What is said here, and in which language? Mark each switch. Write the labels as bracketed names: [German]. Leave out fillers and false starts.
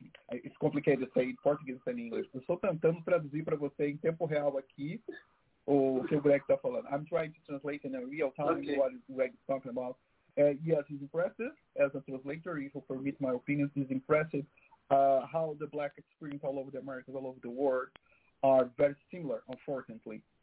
[English] It's complicated to say in Portuguese and English. [Portuguese] Eu estou tentando traduzir para você em tempo real aqui o que o Greg está falando. [English] I'm trying to translate in a real time what Greg is talking about. Yes, it's impressive. As a translator, if you permit my opinion, it's impressive how the black experience all over the Americas, all over the world, are very similar, unfortunately.